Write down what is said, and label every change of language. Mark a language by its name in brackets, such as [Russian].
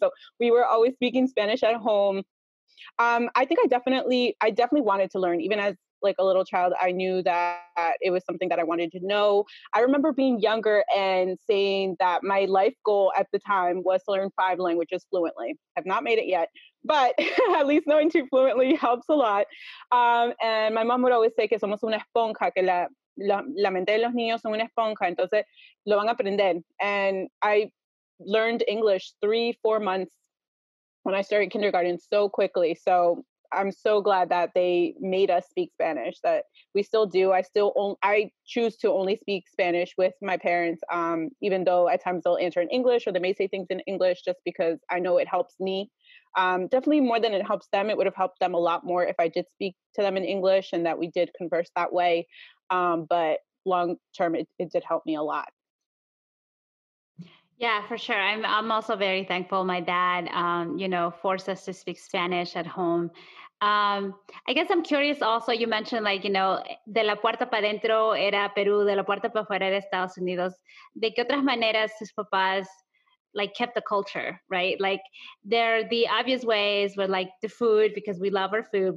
[English] So we were always speaking Spanish at home. I definitely wanted to learn, even as like a little child. I knew that it was something that I wanted to know. I remember being younger and saying that my life goal at the time was to learn 5 languages fluently. I've not made it yet, but at least knowing 2 fluently helps a lot. And my mom would always say [Spanish] que somos una esponja, que la mente de los niños son una esponja, entonces lo van a aprender. [English] And I learned English 3-4 months when I started kindergarten so quickly. So I'm so glad that they made us speak Spanish, that we still do. I choose to only speak Spanish with my parents, even though at times they'll answer in English or they may say things in English, just because I know it helps me. Definitely more than it helps them. It would have helped them a lot more if I did speak to them in English and that we did converse that way. But long term, it did help me a lot. Yeah, for sure. I'm also very thankful my dad, you know, forced us to speak Spanish at home. I guess I'm curious also, you mentioned like, you know, [Spanish] de la puerta para adentro era Perú, de la puerta para afuera era Estados Unidos. ¿De qué otras maneras sus papás [English] like kept the culture, right? Like, there are the obvious ways with like the food, because we love our food.